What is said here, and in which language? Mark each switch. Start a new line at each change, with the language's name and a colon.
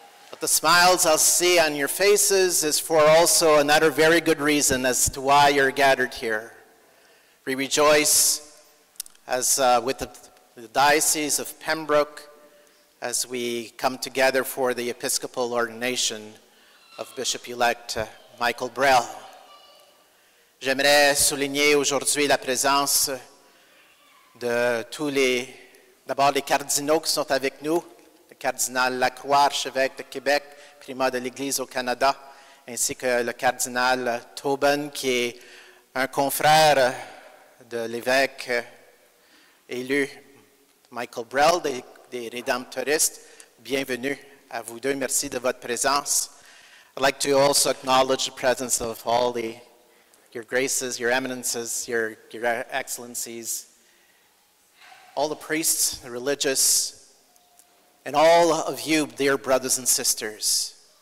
English: But the smiles I'll see on your faces is for also another very good reason as to why you're gathered here. We rejoice as with the Diocese of Pembroke as we come together for the Episcopal Ordination of Bishop-elect Michael Brehl.
French: J'aimerais souligner aujourd'hui la présence de tous les, d'abord les cardinaux qui sont avec nous, le cardinal Lacroix, archevêque de Québec, primat de l'Église au Canada, ainsi que le cardinal Tobin, qui est un confrère de l'évêque élu Michael Brehl, des rédemptoristes. Bienvenue à vous deux. Merci de votre présence.
English: I'd like to also acknowledge the presence of all the your graces, your eminences, your excellencies, all the priests, the religious, and all of you, dear brothers and sisters.